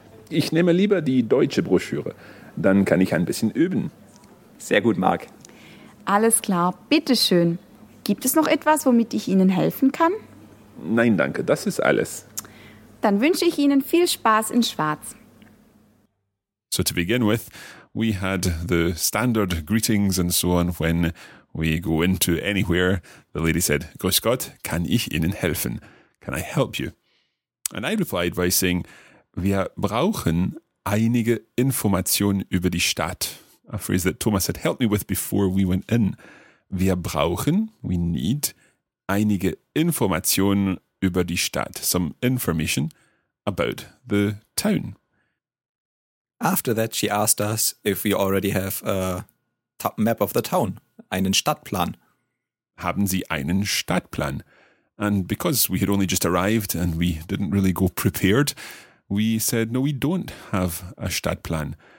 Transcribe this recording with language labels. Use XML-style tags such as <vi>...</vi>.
<de>Ich nehme lieber die deutsche Broschüre. Dann kann ich ein bisschen üben. Sehr gut, Marc. Alles klar, bitteschön. Gibt es noch etwas, womit ich Ihnen helfen kann? Nein, danke, das ist alles. Dann wünsche ich Ihnen viel Spaß in Schwaz.</de> <en>So to begin with, we had the standard greetings and so on when we go into anywhere. The lady said, Grüß Gott, kann ich Ihnen helfen? Can I help you? And I replied by saying, wir brauchen einige Informationen über die Stadt. A phrase that Thomas had helped me with before we went in.</en> <de>Wir brauchen, we need, einige Informationen über die Stadt.</de> <en>Some information about the town. After that, she asked us if we already have a Map of the Town, einen Stadtplan.</en> <de>Haben Sie einen Stadtplan?</de> <en>And because we had only just arrived and we didn't really go prepared, we said, no, we don't have a Stadtplan.</en>